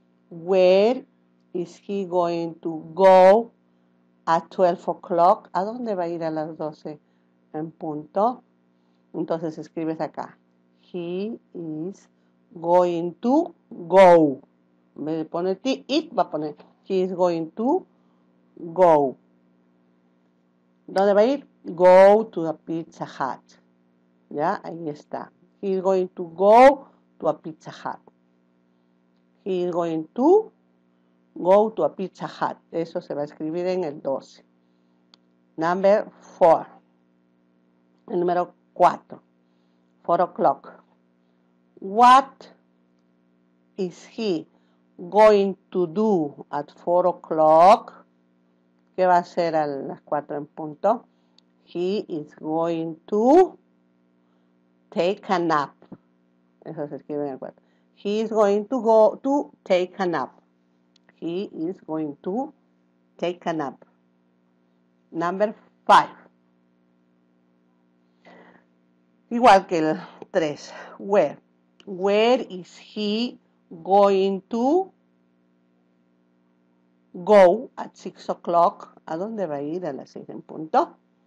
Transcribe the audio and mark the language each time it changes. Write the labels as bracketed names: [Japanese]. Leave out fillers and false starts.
[English] Where is he going to go at 12 o'clock? [Spanish] ¿A dónde va a ir a las 12 en punto? Entonces escribes acá. [English] He is going to go. [Spanish] En vez de poner it, va a poner [English] he is going to go. [Spanish] ¿Dónde va a ir? [English] Go to a Pizza Hut. [Spanish] ¿Ya? Ahí está. [English] He is going to go to a Pizza Hut. He is going to go to a Pizza Hut. [Spanish] Eso se va a escribir en el 12. [English] Number 4. [Spanish] El número 4. [English] 4 o'clock. What is he going to do at 4 o'clock? [Spanish] ¿Qué va a hacer a las 4 en punto? [English] He is going to take a nap. [Spanish] Eso se escribe en el 4. [English] He is going to go to take a nap. He is going to take a nap. Number 5. [Spanish] Igual que el 3. [English] Where? Where is he going to go at 6 o'clock? [Spanish] ¿A dónde va a ir a las 6 en punto?